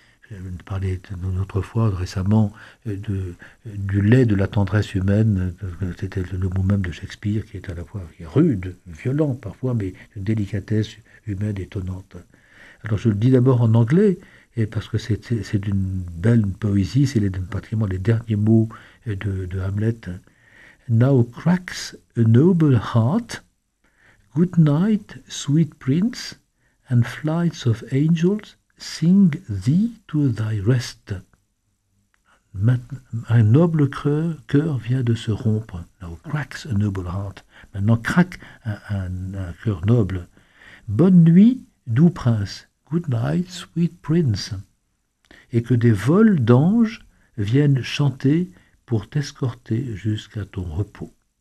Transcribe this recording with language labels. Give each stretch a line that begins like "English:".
French: Je parlais une autre fois, récemment, du lait de la tendresse humaine. C'était le mot même de Shakespeare, qui est à la fois rude, violent parfois, mais une délicatesse humaine étonnante. Alors je le dis d'abord en anglais, et parce que c'est une belle poésie, c'est pratiquement les derniers mots de Hamlet.
English: Now cracks a noble heart, good night, sweet prince, and flights of angels sing thee to thy rest.
French: Un noble cœur vient de se rompre.
English: Now cracks a noble heart.
French: Maintenant craque un cœur noble. Bonne nuit, doux prince.
English: Good night, sweet prince.
French: Et que des vols d'anges viennent chanter pour t'escorter jusqu'à ton repos.